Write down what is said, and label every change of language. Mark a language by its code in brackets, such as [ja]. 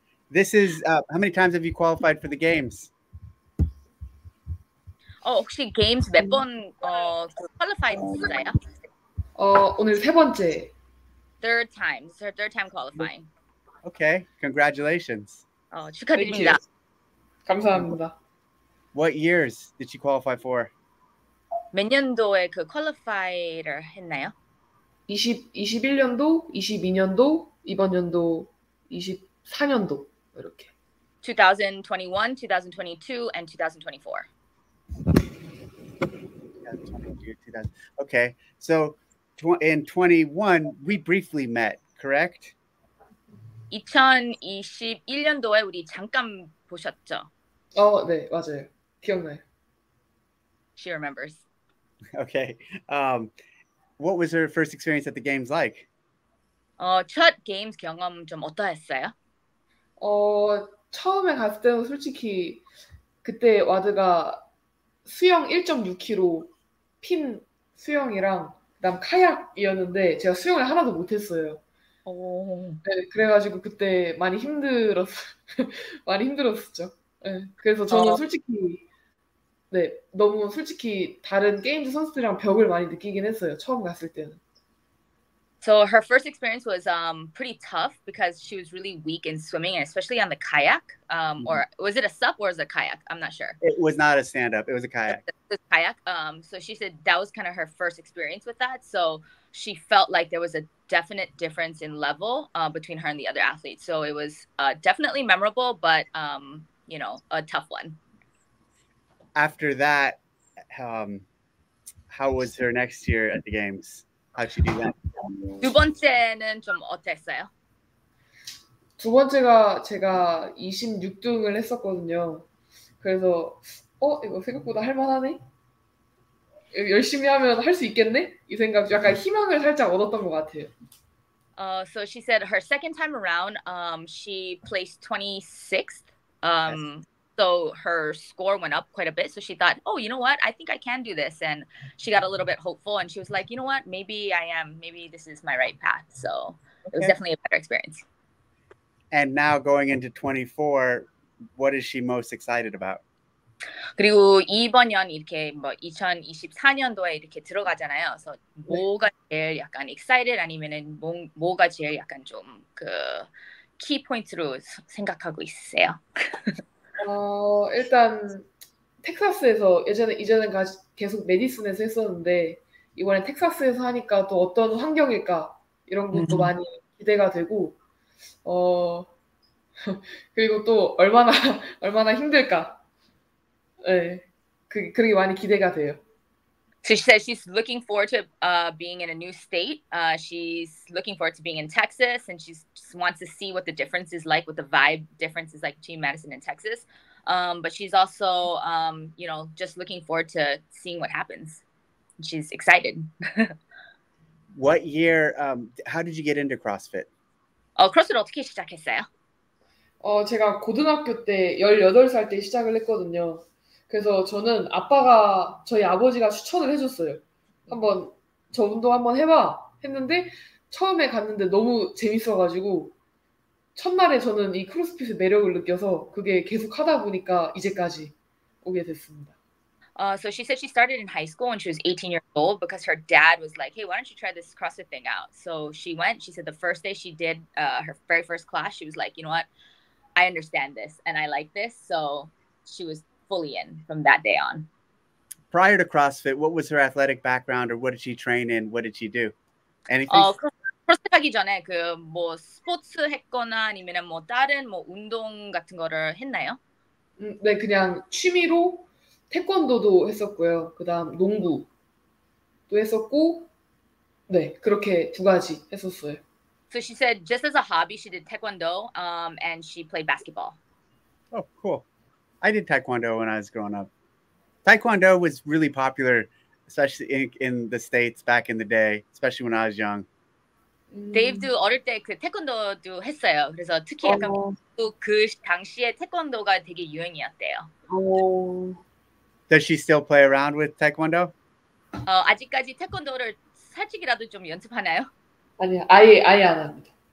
[en] This is how many times have you qualified for the games? [ko] 혹시 게임스 몇 번, 퀄리파이드 했어요? 오늘 세 번째. [en] Third time qualifying. Okay, congratulations. Thank you. [ko] 축하드립니다. 감사합니다. [en] What years did you qualify for? [ko] 몇 년도에 그 퀄리파이를 했나요? 21년도, 22년도, 이번 년도, 24년도 이렇게. [en] 2021, 2022, and 2024. 2022, 2000. Okay, so in 21, we briefly met, correct? [ko] 2021년도에 우리 잠깐 보셨죠? 네, 맞아요. 기억나요. [en] She remembers. Okay. What was her first experience at the games like? [ko] 첫 게임 경험 좀 어떠했어요? 처음에 갔을 때는 솔직히 그때 와드가 수영 1.6km 핀 수영이랑 그다음 카약이었는데 제가 수영을 하나도 못했어요. 네, 그래가지고 그때 많이 힘들었어요. 많이 힘들었었죠. 네, 그래서 저는 솔직히 네, 너무 솔직히 다른 게임즈 선수들이랑 벽을 많이 느끼긴 했어요. 처음 갔을 때는. [en] So her first experience was pretty tough because she was really weak in swimming, especially on the kayak. Or was it a SUP or was it a kayak? I'm not sure. It was not a stand-up. It was a kayak. The kayak. So she said that was kind of her first experience with that. So she felt like there was a definite difference in level between her and the other athletes. So it was definitely memorable, but a tough one. After that, how was her next year at the games? How'd she do [ko] 두 번째는 좀 어땠어요? 두 번째가 제가 26등을 했었거든요. 그래서 이거 생각보다 할 만하네. 열심히 하면 할수 있겠네? 이 생각 약간 희망을 살짝 얻었던 것 같아요. [en] So she said her second time around, she placed 26th. So her score went up quite a bit. So she thought, oh, you know what? I think I can do this. And she got a little bit hopeful and she was like, you know what? Maybe I am. Maybe this is my right path. So it was Okay. definitely a better experience. And now going into 24, what is she most excited about? [ko] 그리고 이번 년 이렇게 뭐 2024년도에 이렇게 들어가잖아요. 그래서 뭐가 제일 약간 excited 아니면은 뭐가 제일 약간 좀그 key point로 생각하고 있으세요? 일단 텍사스에서 이전에 계속 메디슨에서 했었는데 이번에 텍사스에서 하니까 또 어떤 환경일까? 이런 것도 많이 기대가 되고, 그리고 또 얼마나 힘들까? 예, 네, 그게 많이 기대가 돼요. [en] So she says she's looking forward to being in a new state. She's looking forward to being in Texas, and she just wants to see what the difference is like, what the vibe difference is like between Madison and Texas. But she's also, just looking forward to seeing what happens. She's excited. What year, how did you get into CrossFit? [ko] 크로스를 어떻게 시작했어요? 제가 고등학교 때 18살 때 시작을 했거든요. 그래서 저는 아빠가 저희 아버지가 추천을 해줬어요. 한번 저 운동 한번 해봐 했는데 처음에 갔는데 너무 재밌어가지고 첫날에 저는 이 크로스핏의 매력을 느껴서 그게 계속 하다 보니까 이제까지 오게 됐습니다. [en] So she said she started in high school when she was 18 years old because her dad was like, hey, why don't you try this CrossFit thing out? So she went, she said the first day she did her very first class, she was like, you know what? I understand this and I like this. So she was fully in from that day on. Prior to CrossFit, what was her athletic background or what did she train in? What did she do? Anything? [ko] 크로스핏 하기 전에 그뭐 스포츠 했거나 아니면은 뭐 다른 뭐 운동 같은 거를 했나요? 네, 그냥 취미로 태권도도 했었고요. 그다음 농구도 했었고, 네, 그렇게 두 가지 했었어요. [en] So she said just as a hobby, she did taekwondo, and she played basketball. Oh, cool. I did Taekwondo when I was growing up. Taekwondo was really popular, especially in the States back in the day, especially when I was young. [ko] 데이브도 어릴 때 그 태권도도 했어요. 그래서 특히 약간 또 그 당시에 태권도가 되게 유행이었대요. [en] Does she still play around with taekwondo? [ko] 아직까지 태권도를 살짝이라도 좀 연습하나요? 아니요, 아예 안 합니다.